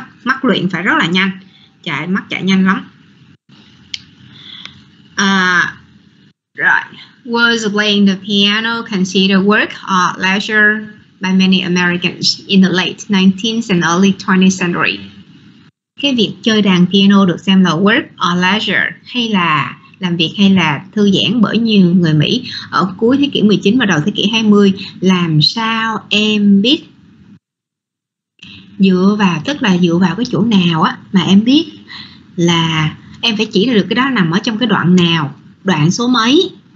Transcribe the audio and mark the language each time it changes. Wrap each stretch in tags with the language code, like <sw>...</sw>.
<vi>Mắt luyện phải rất là nhanh, chạy mắt chạy nhanh lắm.</vi> <en>Was playing the piano considered work or leisure by many Americans in the late 19th and early 20th century?</en> <vi>Cái việc chơi đàn piano được xem là</vi> <en>work or leisure,</en> <vi>hay là làm việc hay là thư giãn bởi nhiều người Mỹ ở cuối thế kỷ 19 và đầu thế kỷ 20. Làm sao em biết? Dựa vào cái chỗ nào á mà em biết là em phải chỉ được cái đó nằm ở trong cái đoạn nào, đoạn số mấy?</vi>